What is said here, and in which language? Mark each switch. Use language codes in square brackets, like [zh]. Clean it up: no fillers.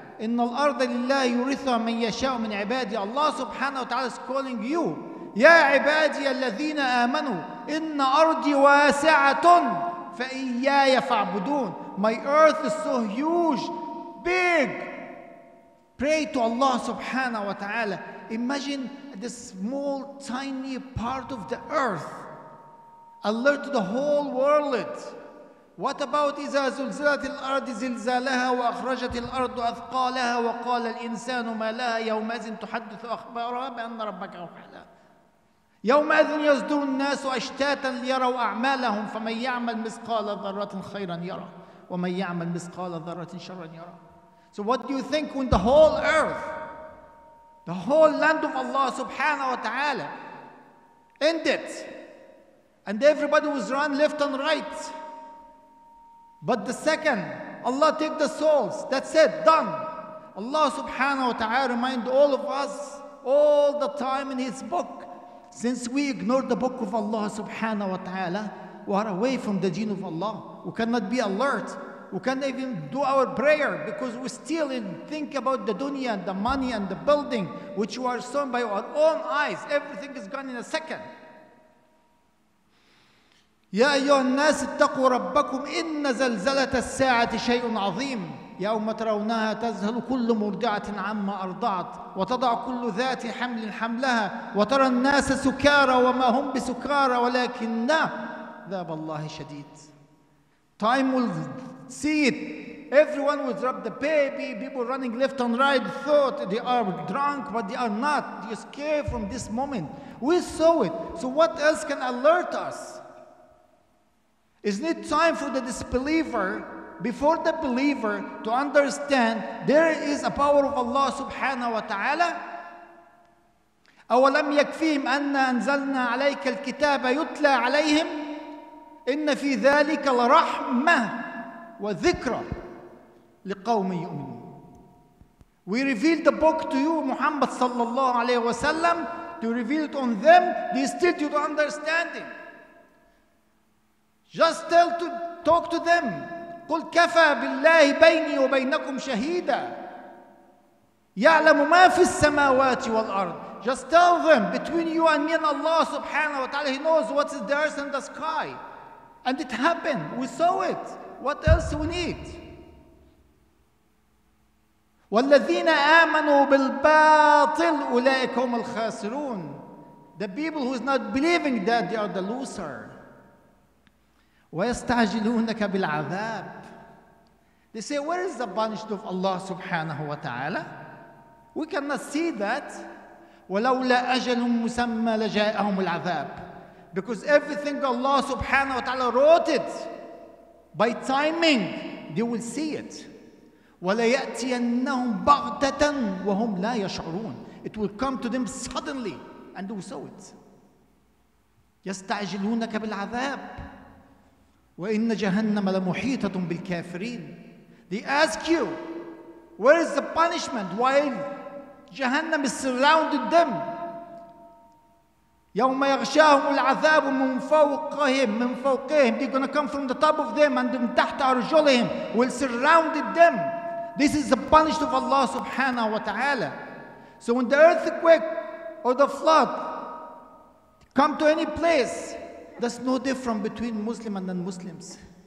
[ar] إن الأرض لله يورثها من يشاء من عبادي. [en] Allah subhanahu wa ta'ala is calling you. [ar] يا عبادي الذين آمنوا إن أرضي واسعة فإياي فاعبدون. [en] My earth is so huge, big. Pray to Allah subhanahu wa ta'ala. Imagine this small, tiny part of the earth. Alert the whole world. What about [ar] إذا زلزلت الأرض زلزالها وأخرجت الأرض أثقالها وقال الإنسان ما لها يومئذ تحدث أخبارها بأن ربك أوحى لها. يومئذ يصدر الناس أشتاتا ليروا أعمالهم فمن يعمل مثقال ذرة خيرا يرى ومن يعمل مثقال ذرة شرا يرى. [en] So what do you think when the whole earth, the whole land of Allah subhanahu wa ta'ala ended and everybody was run left and right. But the second, Allah take the souls, that's it, done. Allah subhanahu wa ta'ala remind all of us all the time in His book. Since we ignore the book of Allah subhanahu wa ta'ala, we are away from the deen of Allah. We cannot be alert. We cannot even do our prayer because we still think about the dunya and the money and the building which we are seeing by our own eyes. Everything is gone in a second. [ar] يا أيها الناس اتقوا ربكم إن زلزلة الساعة شيء عظيم يوم ترونها تذهل كل مرضعة عما أرضعت وتضع كل ذات حمل حملها وترى الناس سكارى وما هم بسكارى ولكن عذاب الله شديد. [en] Time will see it. Everyone will drop the baby. People running left and right thought they are drunk, but they are not. They escape from this moment. We saw it. So what else can alert us? Isn't it time for the disbeliever, before the believer, to understand there is a power of Allah subhanahu wa ta'ala? [ar] أَوَلَمْ يَكْفِيهِمْ أَنَّا أَنْزَلْنَا عَلَيْكَ الْكِتَابَ يُتْلَى عَلَيْهِمْ إِنَّ فِي ذَلِكَ لَرَحْمَةً وَذِكْرَ لِقَوْمٍ يُؤْمِنُونَ. [en] We revealed the book to you, Muhammad sallallahu alayhi wa sallam, to reveal it on them, they still don't understand it. Just tell to talk to them. [ar] قل كفى بالله بيني وبينكم شهيدا يعلم ما في السماوات والأرض. [en] Just tell them between you and me and Allah subhanahu wa ta'ala, He knows what is the earth and the sky. And it happened. We saw it. What else we need? [ar] والذين آمنوا بالباطل أولئك هم الخاسرون. [en] The people who is not believing that, they are the loser. [ar] ويستعجلونك بالعذاب. [en] They say, where is the punishment of Allah subhanahu wa ta'ala? We cannot see that. [ar] ولولا أجل مسمى لجاءهم العذاب. [en] Because everything Allah subhanahu wa ta'ala wrote it by timing, they will see it. [ar] ولا يأتينهم بغتة وهم لا يشعرون. [en] It will come to them suddenly and they will saw it. [ar] يستعجلونك بالعذاب. وإن جهنم لمحيطة بالكافرين. [en] They ask you, where is the punishment? While Jahannam is surrounded them. [ar] يوم يغشاهم العذاب من فوقهم من فوقهم. [en] They're gonna come from the top of them and from [ar] تحت أرجلهم. [en] Will surround them. This is the punishment of Allah subhanahu wa ta'ala. So when the earthquake or the flood come to any place, that's no different between Muslim and non-Muslims.